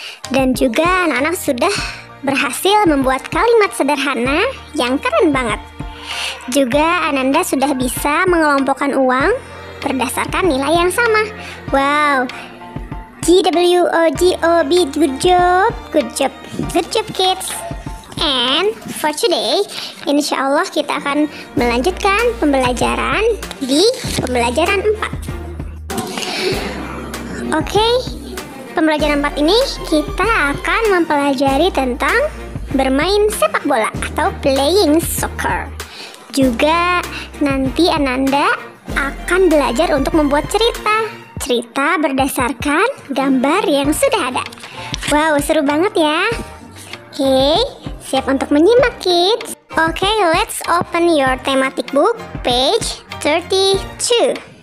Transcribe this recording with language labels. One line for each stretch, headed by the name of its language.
Indonesian: Dan juga anak-anak sudah berhasil membuat kalimat sederhana yang keren banget. Juga Ananda sudah bisa mengelompokkan uang berdasarkan nilai yang sama.
English: Wow, G-W-O-G-O-B, good job, good job, good job kids. And for today,
Indonesian: insya Allah kita akan melanjutkan pembelajaran di pembelajaran 4. Okay, pembelajaran 4 ini kita akan mempelajari tentang bermain sepak bola atau
English: playing soccer.
Indonesian: Juga nanti Ananda akan belajar untuk membuat cerita. Cerita berdasarkan gambar yang sudah ada. Wow, seru banget ya. Okay, siap untuk menyimak kids.
English: Okay, let's open your thematic book page 32.